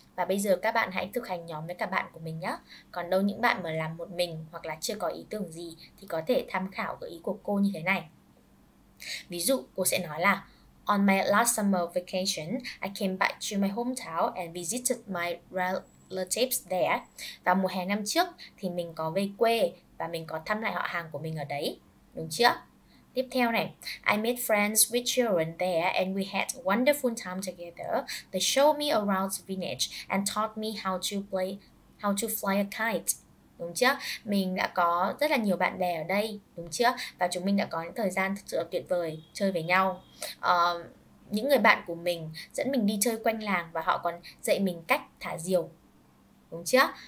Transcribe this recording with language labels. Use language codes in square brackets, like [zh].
[vi] Và bây giờ các bạn hãy thực hành nhóm với các bạn của mình nhé. Còn đâu những bạn mà làm một mình hoặc là chưa có ý tưởng gì thì có thể tham khảo gợi ý của cô như thế này. Ví dụ, cô sẽ nói là [en] on my last summer vacation, I came back to my hometown and visited my relatives there. [vi] Và mùa hè năm trước thì mình có về quê và mình có thăm lại họ hàng của mình ở đấy, đúng chưa? Tiếp theo này, [en] I made friends with children there and we had a wonderful time together. They showed me around the village and taught me how to fly a kite. [vi] Đúng chưa? Mình đã có rất là nhiều bạn bè ở đây, đúng chưa? Và chúng mình đã có những thời gian thật sự tuyệt vời chơi với nhau. Những người bạn của mình dẫn mình đi chơi quanh làng và họ còn dạy mình cách thả diều. Đúng chưa?